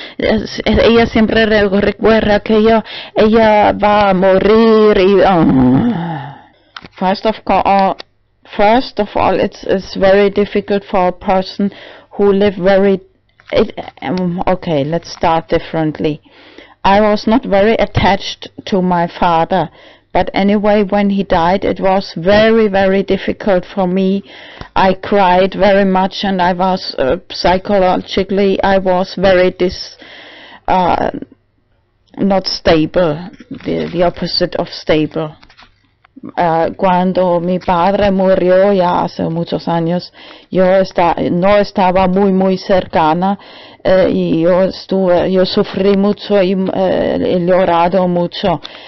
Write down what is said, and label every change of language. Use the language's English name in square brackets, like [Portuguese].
[Spanish] Ella siempre recuerda que yo, ella va a morir. [English] Y, First of all, it's very difficult for a person who live very. Okay, let's start differently. I was not very attached to my father, but anyway, when he died, it was very, very difficult for me. I cried very much, and I was psychologically, I was very not stable, the opposite of stable. [Spanish] Cuando mi padre murió ya hace muchos años, yo no estaba muy muy cercana y yo sufrí mucho y he llorado mucho.